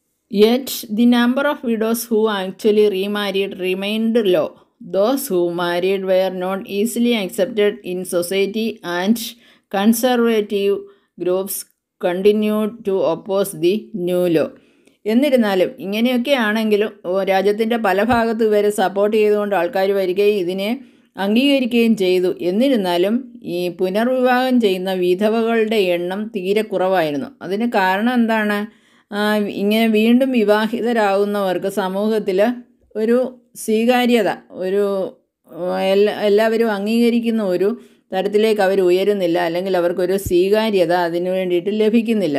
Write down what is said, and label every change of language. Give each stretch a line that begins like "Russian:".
English: Yet the number of widows who actually remarried remained low. Those who married were not easily accepted in society and conservative groups continued to oppose the new law.
Malayalam: എന്നിരുന്നാലും ഇങ്ങനെയൊക്കെയാണെങ്കിലും രാജ്യത്തിൻ്റെ പല ഭാഗത്തും ഇവരെ support ചെയ്തുകൊണ്ട് ആൾക്കാർ വരികയും ഇതിനെ അംഗീകരിക്കുകയും ചെയ്തു. എന്നിരുന്നാലും ഈ പുനർവിവാഹം ചെയ്യുന്ന വിധവകളുടെ എണ്ണം തീരെ കുറവായിരുന്നു. അതിന് കാരണം എന്താണ്? ഇങ്ങനെ വീണ്ടും വിവാഹിതരാകുന്നവർക്ക് സമൂഹത്തിൽ ഒരു സ്വീകാര്യത, ഒരു എല്ലാവരും അംഗീകരിക്കുന്ന ഒരു തരത്തിലേക്ക് അവർ ഉയരുന്നില്ല, അല്ലെങ്കിൽ അവർക്കൊരു സ്വീകാര്യത അതിന് വേണ്ടിയിട്ട് ലഭിക്കുന്നില്ല.